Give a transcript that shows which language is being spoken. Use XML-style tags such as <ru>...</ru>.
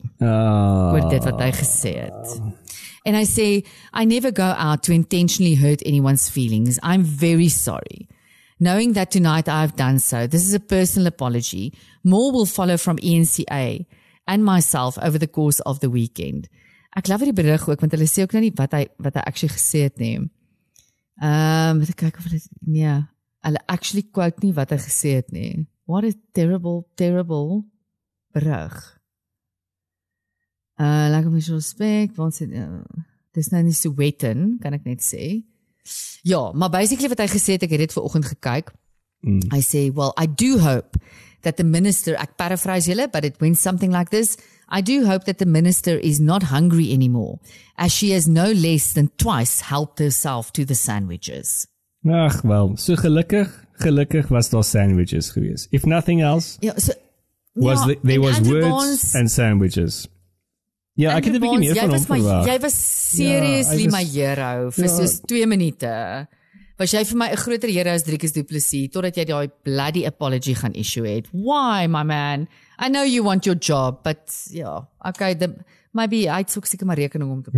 <af>Oor dit wat hy gesê het. En hy sê,</af> <en>I never go out to intentionally hurt anyone's feelings. I'm very sorry. Knowing that tonight I've done so, this is a personal apology. More will follow from ENCA and myself over the course of the weekend.</en> <af>Ek love die berig ook, want hulle sê ook nou nie wat hy actually gesê het nie. Moet ek kyk of dit, nee, hulle actually quote nie wat hy gesê het nie.</af> <en>What a terrible, terrible</en> <af>berig.</af> <en>Lack of mutual respect,</en> <af>want sê, dis nou nie so wetten, kan ek net sê. Ja, maar basically wat hy gesê het, ek het dit vanoggend gekyk.</af> <en>I say, well, I do hope that the minister,</en> <af>ek paraphrase julle,</af> <en>but it went something like this. I do hope that the minister is not hungry anymore, as she has no less than twice helped herself to the sandwiches.</en> <af>Ach, wel, so gelukkig was daar sandwiches gewees.</af> <en>If nothing else, words and sandwiches.</en> <af>Ja, ek het die begin hiervan omgewaar. Jy was</af> <en>seriously my hero</en> <af>vir soos 2 minute. Was jy vir my 'n groter hero as Driekus Du Plessis, totdat jy die bloody apology gaan issue het.</af> <en>Why, my man? I know you want your job, but yeah, okay, maybe I took</en> <af>seker maar rekening om te...</af>